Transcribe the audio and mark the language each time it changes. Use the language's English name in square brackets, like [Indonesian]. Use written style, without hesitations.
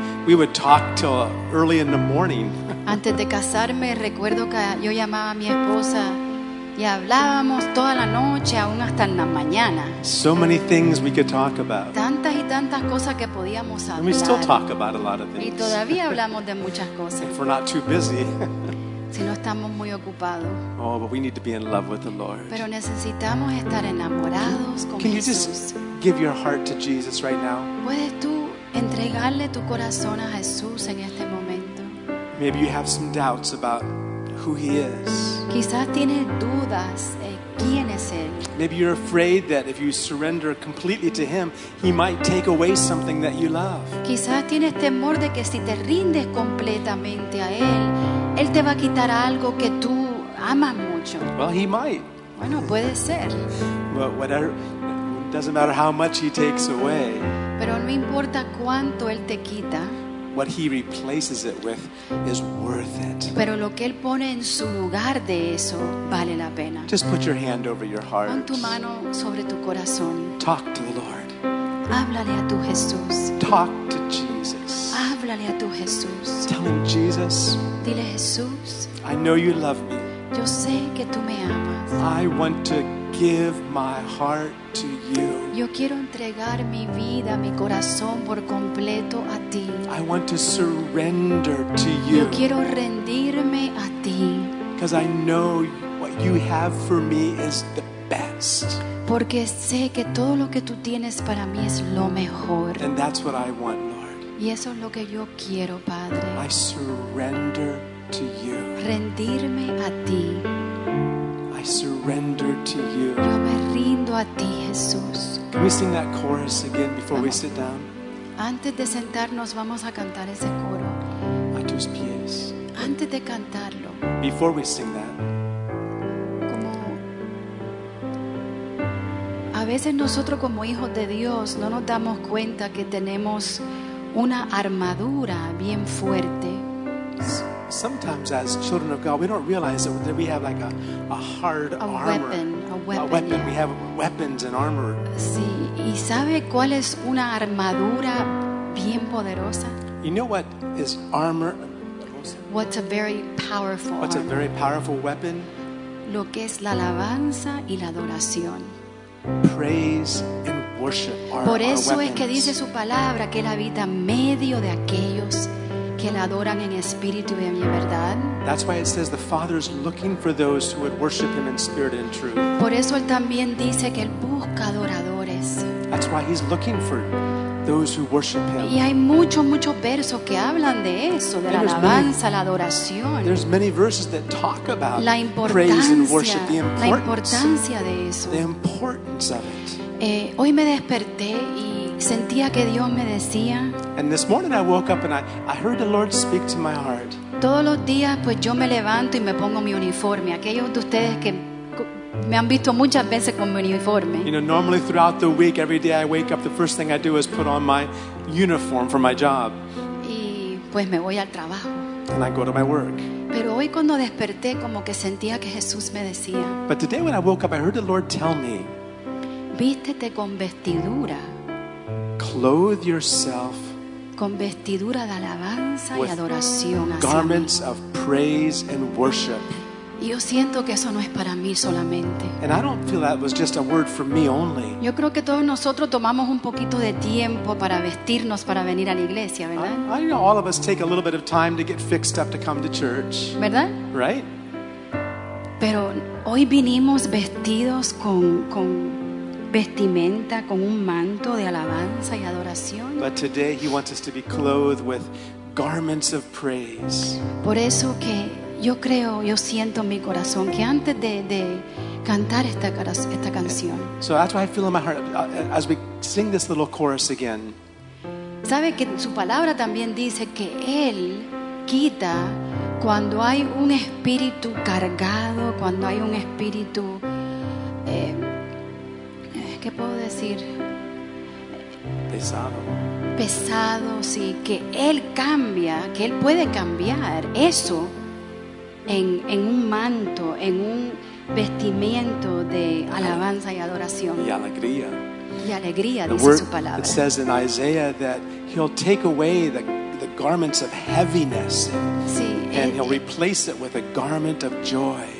[English] We would talk till early in the morning. [Spanish] Antes de casarme, recuerdo que yo llamaba a mi esposa y hablábamos toda la noche, aún hasta en la mañana. [English] So many things we could talk about. [Spanish] Tantas y tantas cosas que podíamos hablar. [English] And we still talk about a lot of things. [Spanish] Y todavía hablamos de muchas cosas. [English] If we're not too busy. [Spanish] Si no estamos muy ocupados. [English] Oh, but we need to be in love with the Lord. [Spanish] Pero necesitamos estar enamorados con [English] Can you [Spanish] Jesús. [English] Just give your heart to Jesus right now? [Spanish] ¿Puedes tú entregarle tu corazón a Jesús en este momento? [English] Maybe you have some doubts about who he is. [Spanish] Quizás tienes dudas de quién es él. [English] Maybe you're afraid that if you surrender completely to him, he might take away something that you love. [Spanish] Quizás tienes temor de que si te rindes completamente a él, él te va a quitar algo que tú amas mucho. [English] Well, he might. [Spanish] Bueno, puede ser. [English] But whatever, it doesn't matter how much he takes away. [Spanish] Pero no importa cuánto él te quita. [English] What he replaces it with is worth it. [Spanish] Pero lo que él pone en su lugar de eso vale la pena. [English] Just put your hand over your heart. [Spanish] Pon tu mano sobre tu corazón. [English] Talk to the Lord. [Spanish] Háblale a tu Jesús. [English] Talk to Jesus. [Spanish] Háblale a tu Jesús. [English] Tell him, Jesus. [Spanish] Dile, Jesús. [English] I know you love me. [Spanish] Yo sé que tú me amas. [English] I want to give my heart to you. [Spanish] Yo quiero entregar mi vida, mi corazón por completo a ti. [English] I want to surrender to you. [Spanish] Yo quiero rendirme a ti. [English] Because I know what you have for me is the best. [Spanish] Porque sé que todo lo que tú tienes para mí es lo mejor. [English] And that's what I want, Lord. [Spanish] Y eso es lo que yo quiero, Padre. [English] I surrender to you. [Spanish] Rendirme a ti. [English] I surrender to you. [Spanish] Yo me rindo a ti, Jesús. [English] Can we sing that chorus again before we sit down? [Spanish] Antes de sentarnos, vamos a cantar ese coro. A tus pies. Antes de cantarlo. [English] Before we sing that. [Spanish] Como a veces nosotros como hijos de Dios no nos damos cuenta que tenemos una armadura bien fuerte. [English] Sometimes as children of God we don't realize that we have like a hard a armor weapon, a weapon. We have weapons and armor. [Spanish] Sí. ¿Y sabe cuál es una armadura bien poderosa? [English] You know what is armor? What's a very powerful weapon? [Spanish] Lo que es la alabanza y la adoración. [English] Praise and worship are weapons. [Spanish] Por eso es que dice su palabra que él habita en medio de aquellos que la adoran en espíritu y en verdad. [English] That's why it says the Father is looking for those who would worship him in spirit and truth. [Spanish] Por eso él también dice que él busca adoradores. [English] That's why he's looking for those who worship him. [Spanish] Y hay muchos versos que hablan de eso, de la alabanza, la adoración. [English] There's many verses that talk about [Spanish] la [English] praise and worship, the importance, [Spanish] la importancia de eso. [English] The importance of it. [Spanish] Hoy me desperté y sentía que Dios me decía. [English] And this morning I woke up and I heard the Lord speak to my heart. [Spanish] Todos los días pues yo me levanto y me pongo mi uniforme. Aquellos de ustedes que me han visto muchas veces con mi uniforme. [English] You know, normally throughout the week, every day I wake up, the first thing I do is put on my uniform for my job. [Spanish] Y pues me voy al trabajo. [English] And I go to my work. [Spanish] Pero hoy cuando desperté como que sentía que Jesús me decía. [English] But today when I woke up, I heard the Lord tell me. [Spanish] Vístete con vestidura. [English] Clothe yourself [Spanish] con vestidura de alabanza y adoración hacia [English] garments [Spanish] mí. [English] Of praise and worship. [Spanish] Yo siento que eso no es para mí solamente. [English] And I don't feel that was just a word for me only. [Spanish] Yo creo que todos nosotros tomamos un poquito de tiempo para vestirnos para venir a la iglesia, ¿verdad? [English] I know all of us take a little bit of time to get fixed up to come to church. [Spanish] ¿Verdad? [English] Right? [Spanish] Pero hoy vinimos vestidos con vestimenta con un manto de alabanza y adoración. [English] But today he wants us to be clothed with garments of praise. [Spanish] Por eso que yo creo, yo siento en mi corazón que antes de cantar esta canción. [English] So that's why I feel in my heart as we sing this little chorus again. [Spanish] Sabe que su palabra también dice que él quita cuando hay un espíritu cargado, cuando hay un espíritu ¿qué puedo decir? Pesado. Pesado, sí, que él cambia, que él puede cambiar eso en un manto, en un vestimiento de alabanza y adoración. Y alegría. Y alegría, dice su palabra. [English] It says in Isaiah that he'll take away the garments of heaviness. [Spanish] Sí, [English] and he'll replace it with a garment of joy.